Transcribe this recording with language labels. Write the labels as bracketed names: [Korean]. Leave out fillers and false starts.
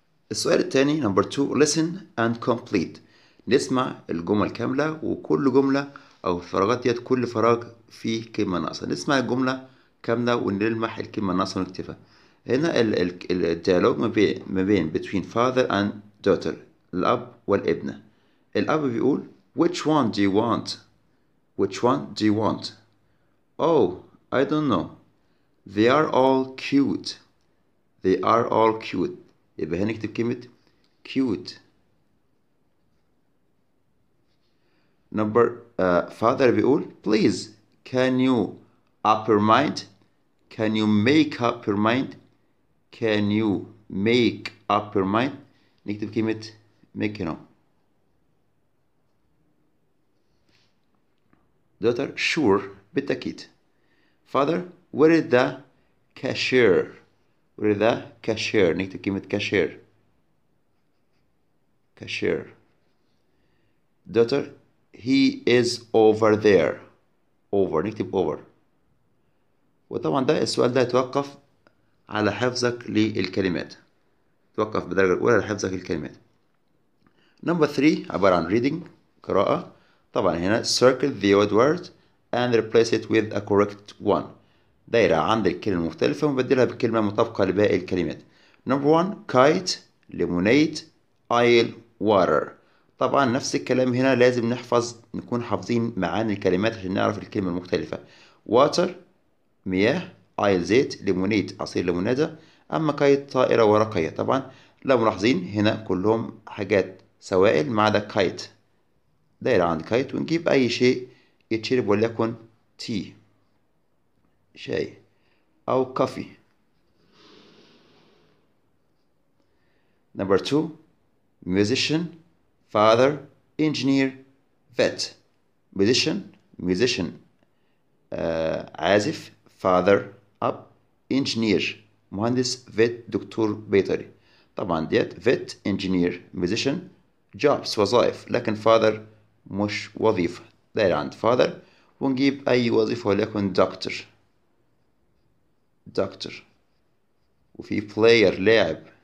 [Arabic] السؤال الثاني نمبر 2، [English] listen and complete، [Arabic] نسمع الجملة كاملة، وكل جملة أو الفراغات ديت كل فراغ فيه كلمة ناقصة، نسمع الجملة كاملة ونلمح الكلمة الناقصة ونكتفى. هنا الديالوج ما بين [English] between father and daughter، [Arabic] الأب والابنة. الأب بيقول [English] which one do you want، which one do you want، oh I don't know، they are all cute، they are all cute. [Arabic] يبقى هنا نكتب كلمة cute. [English] number father [Arabic] بيقول [English] please can you up your mind، can you make up your mind، can you make up your mind. [Arabic] نكتب كلمة make هنا. [English] daughter sure، بالتأكيد. father where is the cashier، where is the cashier، [Arabic] نكتب كلمة [English] cashier، cashier. daughter he is over there، over، [Arabic] نكتب [English] over. [Arabic] وطبعا ده السؤال ده يتوقف على حفظك للكلمات، توقف بالدرجة الأولى على حفظك للكلمات. number 3 عبارة عن reading، قراءة. طبعا هنا [English] circle the odd word and replace it with a correct one، [Arabic] دايرة عند الكلمة المختلفة وبدلها بكلمة مطابقة لباقي الكلمات. [English] number 1 kite، lemonade، aisle، water. [Arabic] طبعا نفس الكلام هنا، لازم نحفظ، نكون حافظين معاني الكلمات عشان نعرف الكلمة المختلفة. water مياه، ايل زيت، ليمونيت عصير ليمونادة، اما كايت طائرة ورقية. طبعا لو ملاحظين هنا كلهم حاجات سوائل ما عدا كايت، دايرة عند كايت، ونجيب اي شيء يتشرب وليكن تي، شاي او كافي. [English] Number 2 musician، father، engineer، vet. musician عازف، father up، engineer مهندس، vet [Arabic] دكتور بيطري. طبعا ديت vet، engineer، musician، jobs وظائف، لكن father مش وظيفة، دايرة عند father. ونجيب أي وظيفة وليكن doctor، doctor. وفي player لاعب.